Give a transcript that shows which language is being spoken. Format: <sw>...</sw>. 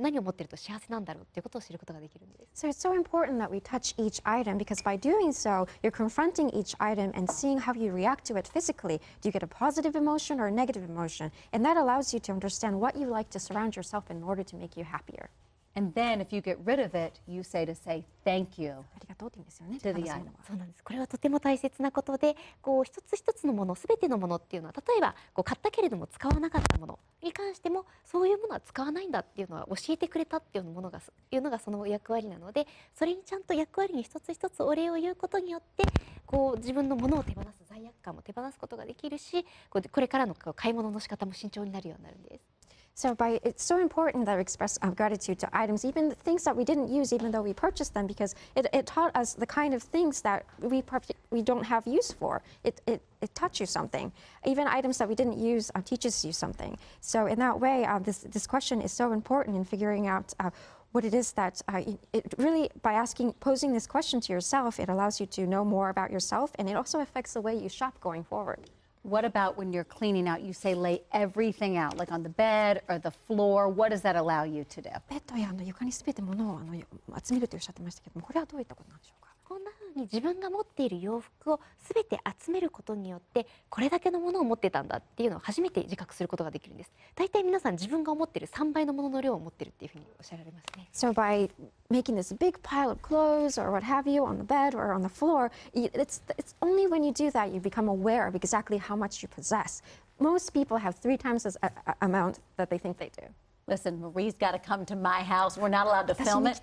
<ja>これは何をするんですか?こういうふうに。これは実際に物を触ってみるっていうことがとても大切で、触ってみた時に、こう一つ一つのものを向き合った時に自分の体がどういうふうな反応をするのか、ポジティブなのか、こうネガティブなのかっていう、これを感じることによって、自分は何を囲まれて、何を持ってると幸せなんだろうっていうことを知ることができるんです。</ja> <en>So it's so important that we touch each item because by doing so, you're confronting each item and seeing how you react to it physically. Do you get a positive emotion or a negative emotion? And that allows you to understand what you like to surround yourself in order to make you happier. And then if you get rid of it, you say to say thank you to the item.</en> <ja>そうなんです。これはとても大切なことで、こう一つ一つのもの、すべてのものっていうのは、例えばこう買ったけれども使わなかったものに関しても、そういうものは使わないんだっていうのは教えてくれたっていうものが、いうのがその役割なので、それにちゃんと役割に一つ一つお礼を言うことによって、こう自分のものを手放す罪悪感も手放すことができるし、これからの買い物の仕方も慎重になるようになるんです。</ja> <en>So it's so important that we express gratitude to items, even things that we didn't use, even though we purchased them, because it taught us the kind of things that we don't have use for. It taught you something. Even items that we didn't use teaches you something. So in that way, this question is so important in figuring out what it is that it really, by asking, posing this question to yourself, it allows you to know more about yourself, and it also affects the way you shop going forward. What about when you're cleaning out, you say lay everything out, like on the bed or the floor? What does that allow you to do?</en> <ja>ベッドや床にすべてものを集めるとおっしゃってましたけども、これはどういったことなんでしょうか？こんなふうに自分が持っている洋服をすべて集めることによって、これだけのものを持ってたんだっていうのを初めて自覚することができるんです。大体皆さん自分が思っている3倍のものの量を持っているっていうふうにおっしゃられますね。</ja> <en>So by making this big pile of clothes or what have you on the bed or on the floor, it's only when you do that you become aware of exactly how much you possess. Most people have three times as amount that they think they do. Listen, Marie's got to come to my house. We're not allowed to film it.</en>